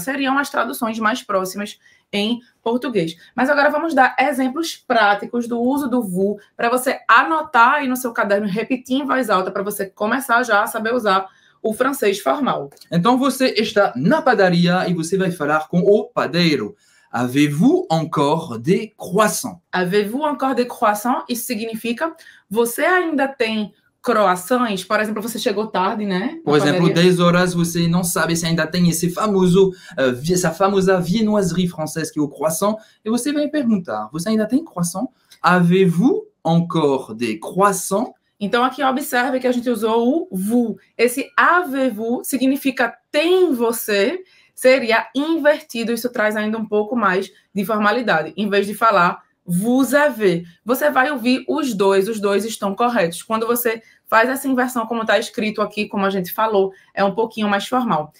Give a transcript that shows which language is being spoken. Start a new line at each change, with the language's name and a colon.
Portuguese: Seriam as traduções mais próximas em português. Mas agora vamos dar exemplos práticos do uso do vous para você anotar aí no seu caderno, repetir em voz alta, para você começar já a saber usar o francês formal. Então, você está na padaria e você vai falar com o padeiro.
French: Avez-vous encore des croissants? Avez-vous encore des croissants?
Portuguese: Isso significa, você ainda tem croissants? Por exemplo, você chegou tarde, né? Por exemplo, padaria. 10 horas, você não sabe se ainda tem esse famoso, essa famosa viennoiserie francesa que é o croissant. E você vai perguntar, você ainda tem croissant?
French: Avez-vous encore des croissants?
Portuguese: Então, aqui, observe que a gente usou o vous. Esse avez-vous significa tem você, seria invertido. Isso traz ainda um pouco mais de formalidade. Em vez de falar vous avez, você vai ouvir os dois estão corretos. Quando você faz essa inversão, como está escrito aqui, como a gente falou, é um pouquinho mais formal.